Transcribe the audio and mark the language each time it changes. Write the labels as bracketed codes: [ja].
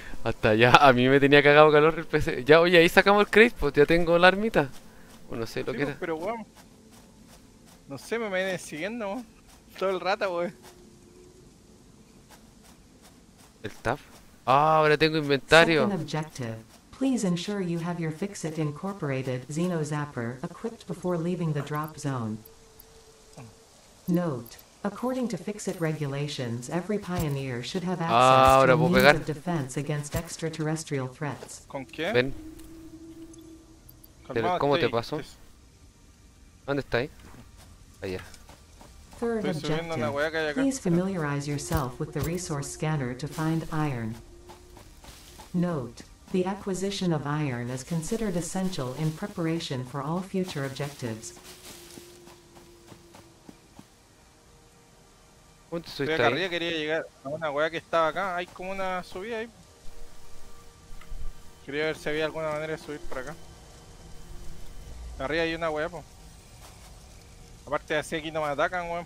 [es] Hasta ya, a mí me tenía cagado calor el PC. Ya, oye, ahí sacamos el crate, pues ya tengo la armita. Bueno, no sé lo sí, que era. Pero, weón. Bueno, no sé, me viene siguiendo, weón. Todo el rato, weón. ¿El tab? Ah, ahora tengo inventario. [en] Please ensure you have your Fixit Incorporated Xeno Zapper equipped before leaving the drop zone. Note: according to Fixit regulations, every pioneer should have access [es] ahora [en] to [es] puedo pegar. [en] Of defense against extraterrestrial threats. [es] ¿Con qué? Ven. Pero, ¿cómo te pasó? ¿Dónde está ahí? Allá. [en] Third objective: please familiarize yourself with the resource scanner to find iron. Note: the acquisition of iron is considered essential in preparation for all future objectives. [es] ¿Dónde estoy? Acá arriba quería llegar a una weá que estaba acá. Hay como una subida ahí. Quería ver si había alguna manera de subir por acá. Arriba hay una weá, po. Aparte, así aquí no me atacan, weón.